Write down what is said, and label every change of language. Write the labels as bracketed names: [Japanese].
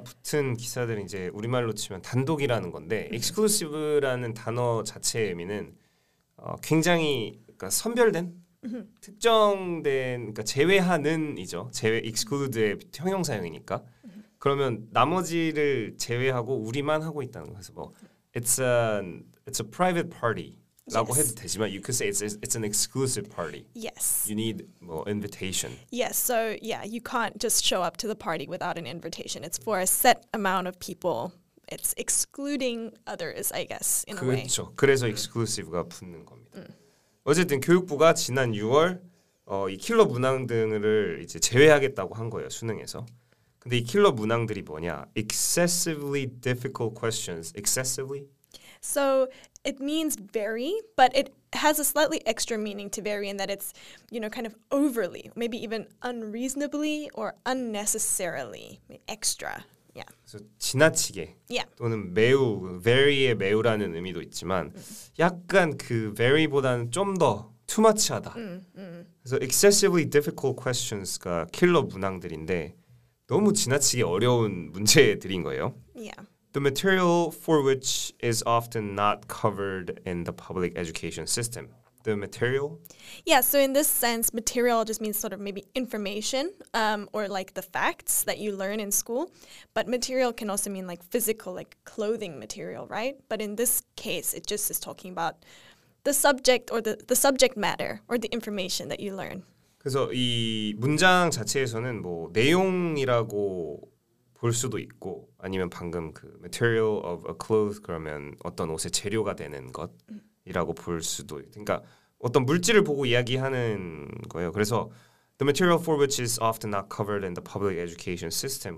[Korean] 붙은 기사들은 이제 우리말로 치면 단독이라는 건데 exclusive라는 단어 자체의 의미는 굉장히 그러니까 선별된 특정된 그러니까 제외하는이죠. 제외 exclude의 형용사형이니까. 그러면 나머지를 제외하고 우리만 하고 있다는 거죠. [English] 뭐 it's a private party라고 yes. [Korean] 해도 되지만 [English] you could say it's an exclusive party. Yes. You need well, invitation. Yes. So yeah, you can't just show up to the party without an invitation. It's for a set amount of people. It's excluding others, I guess in [Korean] 그렇죠. [English] a way. [Korean] 그렇죠. 그래서 exclusive가 붙는 겁니다. 어쨌든 교육부가 지난 6월 이 킬러 문항 등을 이제 제외하겠다고 한 거예요 수능에서. 근데 이 킬러 문항들이 뭐냐? [English] Excessively difficult questions. Excessively? So it means very, but it has a slightly extra meaning to very in that it's, you know, kind of overly, maybe even unreasonably or unnecessarily extra. Yeah. [Korean] 그래서 지나치게 [English] yeah. [Korean] 또는 매우 very의 매우라는 의미도 있지만 약간 그 very보다는 좀 더 too much하다. 그래서 [English] excessively difficult questions [Korean] 가 킬러 문항들인데 너무 지나치게 어려운 문제들인 거예요. [English] Yeah. The material for which is often not covered in the public education system. The material? Yeah, so in this sense, material just means sort of maybe information or like the facts that you learn in school. But material can also mean like physical, like clothing material, right? But in this case, it just is talking about the subject or the subject matter or the information that you learn. [Korean] 그래서 이 문장 자체에서는 뭐 내용이라고 볼 수도 있고 아니면 방금 그 [English] material of a cloth [Korean] 그러면 어떤 옷의 재료가 되는 것 이라고 볼 수도 그러니까 어떤 물질을 보고 이야기하는 거예요. 그래서 [English] the material for which is often not covered in the public education system.